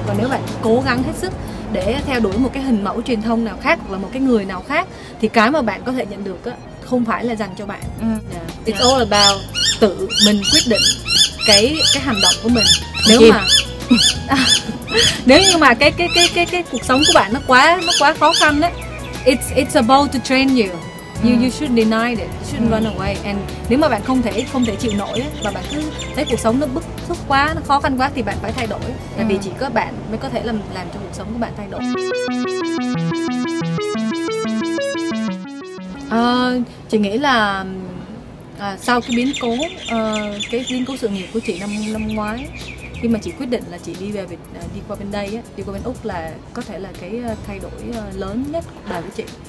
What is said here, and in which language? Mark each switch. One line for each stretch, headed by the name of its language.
Vietnamese: Còn nếu bạn cố gắng hết sức để theo đuổi một cái hình mẫu truyền thông nào khác hoặc là một cái người nào khác, thì cái mà bạn có thể nhận được á không phải là dành cho bạn.
English: Yeah. It's all about
Vietnamese: tự mình quyết định cái hành động của mình. Nếu mà nếu như mà cái cuộc sống của bạn nó quá khó khăn đấy,
English: it's about to train you. You should deny it, you shouldn't run away.
Vietnamese: And nếu mà bạn không thể chịu nổi ấy, và bạn cứ thấy cuộc sống nó bức xúc quá, nó khó khăn quá, thì bạn phải thay đổi. Tại vì chỉ có bạn mới có thể làm cho cuộc sống của bạn thay đổi. Chị nghĩ là sau cái biến cố, cái biến cố sự nghiệp của chị năm ngoái, khi mà chị quyết định là chị đi qua bên Úc, là có thể là cái thay đổi lớn nhất cuộc đời của chị.